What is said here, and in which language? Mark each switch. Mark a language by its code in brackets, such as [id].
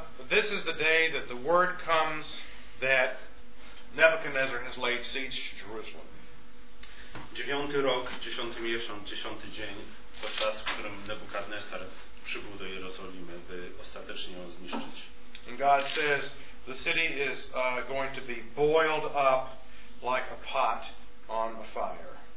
[en] This is the day that the word comes that Nebuchadnezzar has laid siege to Jerusalem. [pl] Dziewiąty rok, dziesiąty miesiąc, dziesiąty dzień, to czas, w którym Nebukadnesar przybył do Jerozolimy, by ostatecznie ją zniszczyć. [en] And God says, the city is going to be boiled up like a pot on a fire.